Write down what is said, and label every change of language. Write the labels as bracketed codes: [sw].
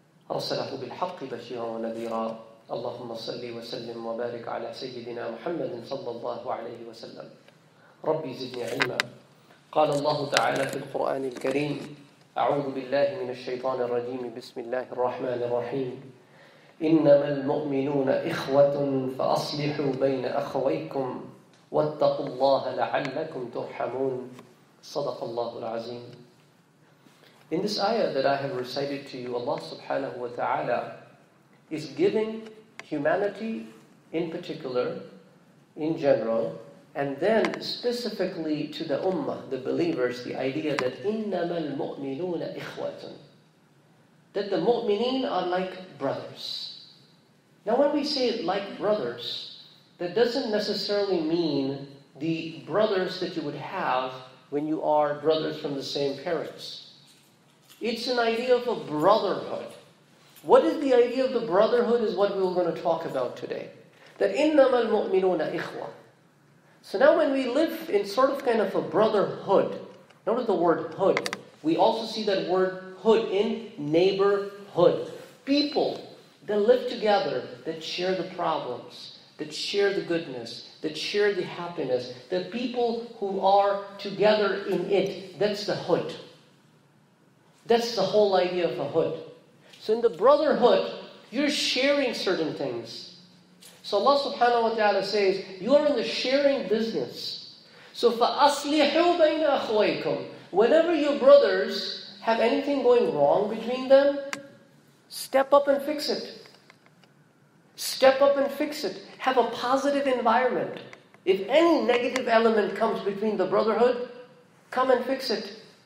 [ar] أرسله بالحق بشيرا ونذيرا اللهم صل وسلم وبارك على سيدنا محمد صلى الله عليه وسلم ربي زدني علما قال الله تعالى في القرآن الكريم أعوذ بالله من الشيطان الرجيم بسم الله الرحمن الرحيم إنما المؤمنون إخوة فأصلحوا بين أخويكم واتقوا الله لعلكم ترحمون صدق الله العظيم. [en] In this ayah that I have recited to you, Allah subhanahu wa ta'ala is giving humanity in particular, in general, and then specifically to the ummah, the believers, the idea that [ar] إِنَّمَا الْمُؤْمِنُونَ إِخْوَةٌ, [en] that the mu'mineen are like brothers. Now when we say like brothers, that doesn't necessarily mean the brothers that you would have when you are brothers from the same parents. It's an idea of a brotherhood. What is the idea of the brotherhood is what we were going to talk about today. [ar] That إِنَّمَا الْمُؤْمِنُونَ إِخْوَةٌ. [en] So now when we live in sort of kind of a brotherhood, notice the word hood, we also see that word hood in neighborhood. People that live together, that share the problems, that share the goodness, that share the happiness, the people who are together in it, that's the hood. That's the whole idea of a hood. So in the brotherhood, you're sharing certain things. So Allah subhanahu wa ta'ala says, you are in the sharing business. [ar] So فَأَصْلِحُوا بَيْنَ أَخْوَيْكُمْ. [en] Whenever your brothers have anything going wrong between them, step up and fix it. Step up and fix it. Have a positive environment. If any negative element comes between the brotherhood, come and fix it.